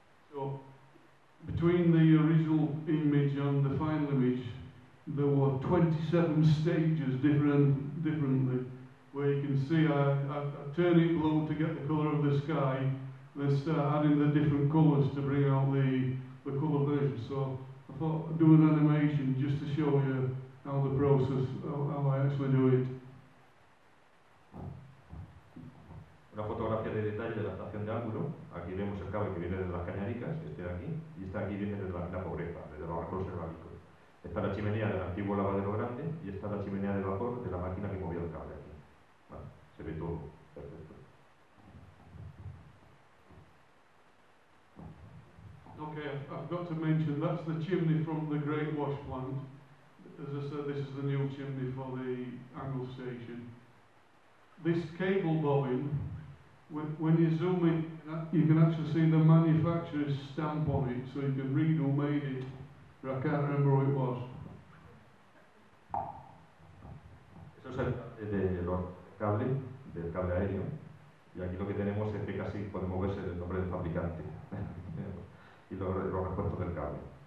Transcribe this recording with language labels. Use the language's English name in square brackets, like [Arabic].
[English] So between the original image and the final image, there were 27 stages differently, where you can see I turn it blue to get the color of the sky, then start adding the different colors to bring out the color version. So I thought I'd do an animation just to show you how the process, how I actually do it. [Spanish] Una fotografía de detalle de la estación de ángulo. Aquí vemos el cable que viene desde las cañaricas, este de aquí, y este de aquí viene desde la pobreza, desde los arcos cerámicos. Está la chimenea del antiguo lavadero grande y está la chimenea de vapor de la máquina que movió el cable aquí. Bueno, se ve todo perfecto. [English] Okay, I've got to mention that's the chimney from the Great Wash Plant. As I said, this is the new chimney for the Angle Station. This cable bobbin, when you zoom in, you can actually see the manufacturer's stamp on it, so you can read who made it, but I can't remember who it was. [Spanish] Eso es el cable, del cable aéreo, y aquí lo que tenemos es que casi podemos ver el nombre del fabricante y los repuestos del cable.